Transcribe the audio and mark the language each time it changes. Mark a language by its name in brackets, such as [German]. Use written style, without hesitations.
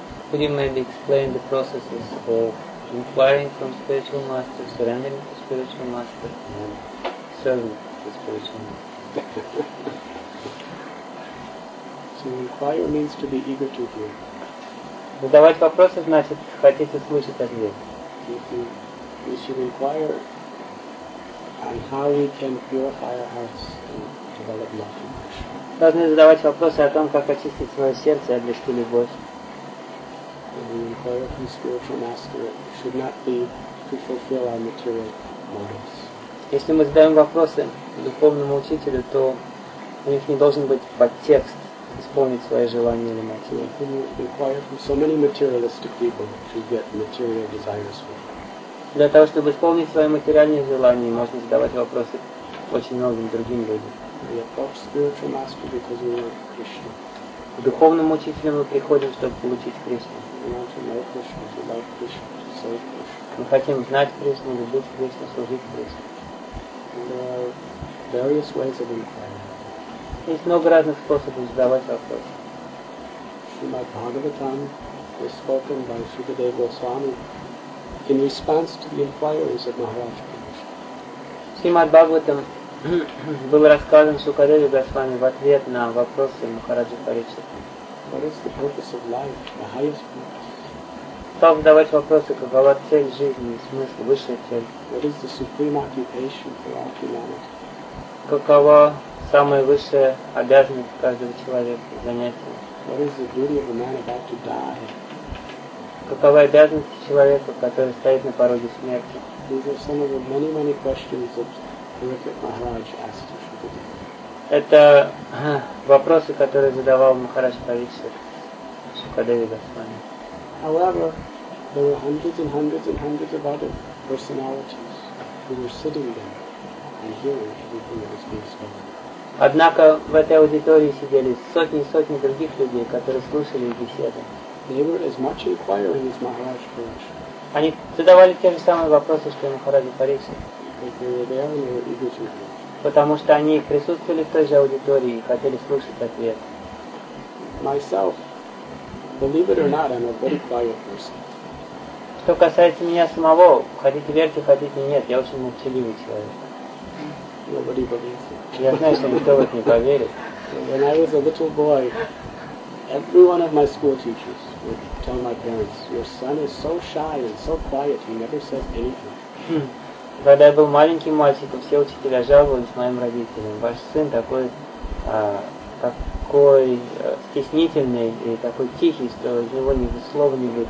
[English] Could you maybe explain the processes of inquiring from spiritual master, surrendering to spiritual master, and serving the spiritual master? So inquire means to be eager to hear. [Russian] Задавать вопросы, значит, хотите слышать ответ. [English] We should inquire on how we can purify our hearts and develop love for Krishna. [Russian] Должны задавать вопросы о том, как очистить свое сердце и обрести любовь. [English] When we inquire from spiritual master, it should not be to fulfill our material motives. [Russian] Если мы задаем вопросы духовному учителю, то у них не должен быть подтекст исполнить свои желания или мотивы. [English] Can you inquire from so many materialistic people to get material desires for? [Russian] Для того, чтобы исполнить свои материальные желания, можно задавать вопросы очень многим другим людям. [English] We approach spiritual master because we want Krishna. [Russian] К духовному учителю мы приходим, чтобы получить Кришну. [English] We want to know Krishna, to love Krishna, to serve Krishna. [Russian] Мы хотим знать Кришну, любить Кришну, служить Кришне. [English] various ways of inquiry. [Russian] Есть много разных способов задавать вопросы. [English] Srimad Bhagavatam was spoken by Sukadeva Goswami in response to the inquiries of Maharaj Parikshit. [Russian] Srimad Bhagavatam был рассказан Сукадеве Госвами в ответ на вопросы Махараджа Парикшита. [English] What is the purpose of life, the highest purpose? [Russian] Стал задавать вопросы, какова цель жизни, смысл, высшая цель. [English] What is the supreme occupation for all humanity? [Russian] Какова самая высшая обязанность каждого человека, занятия? [English] What is the duty of a man about to die? [Russian] Какова обязанность человека, который стоит на пороге смерти? [English] These are some of the many, many questions that Parikshit Maharaj asked of Sukadeva. [Russian] Это вопросы, которые задавал Махарадж Парикшит Сукадеве Госвами. [English] However, there were hundreds and hundreds and hundreds of other personalities who were sitting there and hearing everything that was being spoken. [Russian] Однако в этой аудитории сидели сотни и сотни других людей, которые слушали беседы. [English] They were as much inquiring as Maharaj Parikshit. [Russian] Они задавали те же самые вопросы, что и Махарадж Парикшит. [English] Because they were there and they were eager to hear. [Russian] Потому что они присутствовали в той же аудитории и хотели слушать ответ. [English] Myself, believe it or not, I'm a very quiet person. [Russian] Что касается меня самого, хотите верьте, хотите нет, я очень молчаливый человек. [English] Nobody believes it. [Russian] Я знаю, что никто в это не поверит. [English] When I was a little boy, every one of my school teachers would tell my parents, "Your son is so shy and so quiet, he never says anything." [Russian] Когда я был маленьким мальчиком, все учителя жаловались моим родителям. Ваш сын такой, такой стеснительный и такой тихий, что из него ни слова не